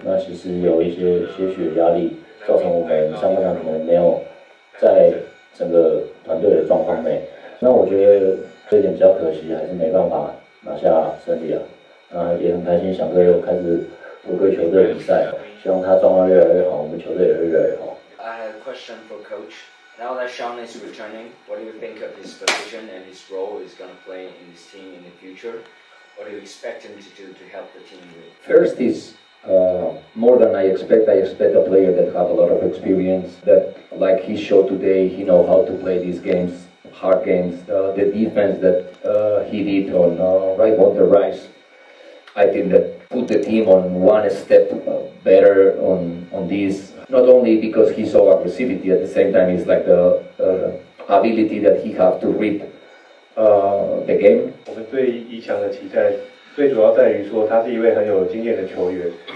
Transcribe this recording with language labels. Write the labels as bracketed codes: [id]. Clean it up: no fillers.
[zh] 那其实有一些些许的压力，造成我们上半场可能没有在整个团队的状况内。那我觉得这一点比较可惜，还是没办法拿下胜利啊。那也很开心，翔哥又开始回归球队比赛。 [en] I have a question for Coach. Now that Sean is returning, what do you think of his position and his role is going to play in this team in the future? What do you expect him to do to help the team win? First is, more than I expect a player that has a lot of experience, that like he showed today, he knows how to play these games, hard games. The defense that he did on right on the rise, I think that put the team on one step better on this. Not only because he's so aggressivity, at the same time it's like the ability that he have to read the game. [zh] 我们对伊强的期待，最主要在于说他是一位很有经验的球员。